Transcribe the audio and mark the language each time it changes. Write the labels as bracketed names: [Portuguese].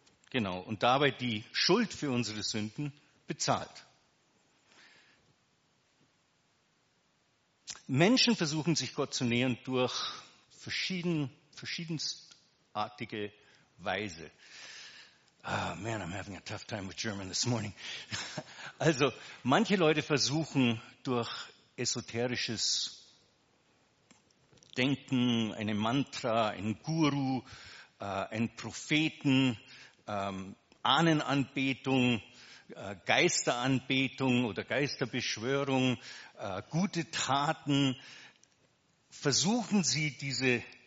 [German] Genau, und dabei die Schuld für unsere Sünden bezahlt. Menschen versuchen sich Gott zu nähern durch verschiedenartige Weise. [English] Oh man, I'm having a tough time with German this morning. [German] Also, manche Leute versuchen durch esoterisches Denken, einen Mantra, einen Guru, einen Propheten, Ahnenanbetung, Geisteranbetung oder Geisterbeschwörung, gute Taten, versuchen sie diese